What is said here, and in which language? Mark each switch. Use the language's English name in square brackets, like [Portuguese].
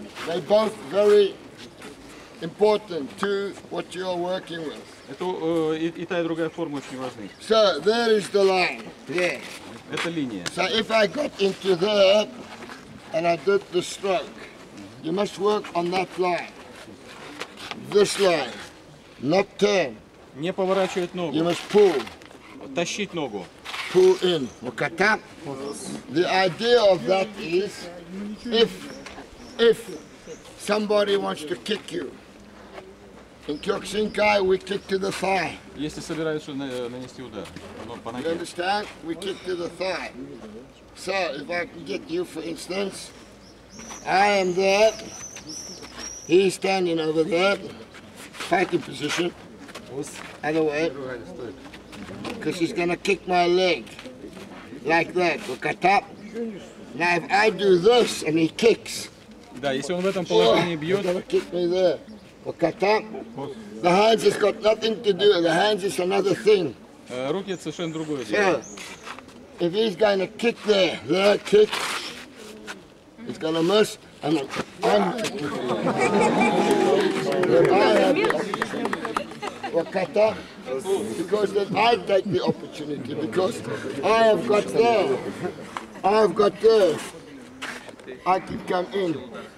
[English] They both very important to what you are working with. [Russian] Это и та и другая форма очень важны. [English] So there is the line. Yeah. [Russian] Это линия. [English] So if I got into there and I did the stroke, you must work on that line. This line, not turn. [Russian] Не поворачивать ногу. [English] You must pull. [Russian] Тащить ногу. [English] Pull in. Look at that. The idea of that is, if somebody wants to kick you, in Кёкушинкай we kick to the thigh. [Russian] Если собираешься нанести удар, но по ноге. [English] You understand? We kick to the thigh. So if I can get you, for instance, I am there. He's standing over there, fighting position. Other way. Because he's gonna kick my leg like that. Look at that. Now if I do this and he kicks. [Russian] Да, если он в этом положении бьет. [English] He's gonna kick me there. Look at that. The hands has got nothing to do. The hands is another thing. [Russian] Руки это совершенно другое дело. [English] So, if he's gonna kick there, that kick, he's gonna miss. And I'm kicking. Wakata, because then I take the opportunity, because I have got there, I have got there, I can come in.